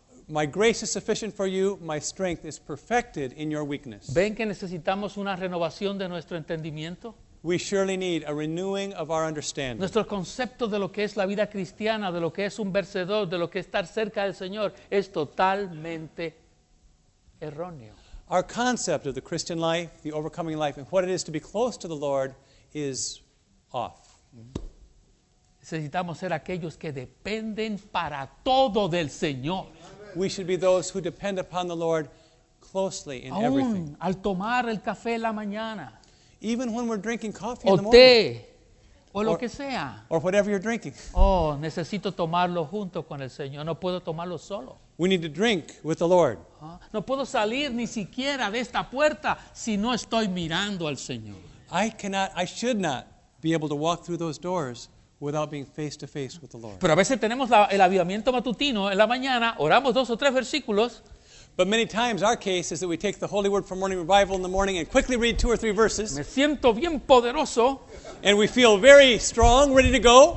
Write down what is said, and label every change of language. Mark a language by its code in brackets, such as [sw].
[en] My grace is sufficient for you, my strength is perfected in your weakness. [es] ¿Ven que necesitamos una renovación de nuestro entendimiento? [en] We surely need a renewing of our understanding. [es] Nuestro concepto de lo que es la vida cristiana, de lo que es un vencedor, de lo que es estar cerca del Señor, es totalmente erróneo. [en] Our concept of the Christian life, the overcoming life, and what it is to be close to the Lord is off. [es] Necesitamos ser aquellos que dependen para todo del Señor. [en] We should be those who depend upon the Lord closely in [es] aún, [en] everything. [es] Al tomar el café en la mañana. [en] Even when we're drinking coffee [es] o [en] in the [es] té, [en] morning. [es] O lo que sea. [en] Or whatever you're drinking. [es] Oh, necesito tomarlo junto con el Señor. No puedo tomarlo solo. [en] We need to drink with the Lord. [es] No puedo salir ni siquiera de esta puerta si no estoy mirando al Señor. [en] I should not be able to walk through those doors without being face to face with the Lord. [es] Pero a veces tenemos el avivamiento matutino en la mañana, oramos dos o tres versículos. [en] But many times our case is that we take the Holy Word for morning revival in the morning and quickly read two or three verses. [es] Me siento bien poderoso. [en] And we feel very strong, ready to go.